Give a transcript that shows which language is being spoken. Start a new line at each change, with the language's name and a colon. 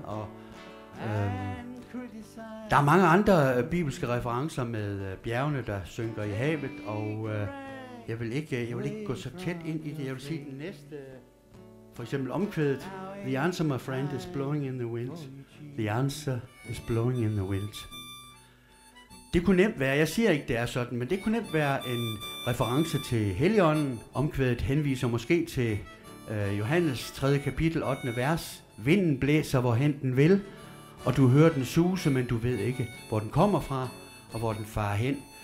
Danish: Og, der er mange andre bibelske referencer med bjergene, der synker i havet, og jeg vil ikke gå så tæt ind i det. Jeg vil sige den næste... For eksempel omkvædet,
English: the answer, my friend, is blowing in the wind. The answer is blowing in the wind.
Danish: Det kunne nemt være, jeg siger ikke, det er sådan, men det kunne nemt være en reference til Helligånden. Omkvædet henviser måske til Johannes 3. kapitel 8. vers. Vinden blæser, hvorhen den vil, og du hører den suse, men du ved ikke, hvor den kommer fra og hvor den farer hen.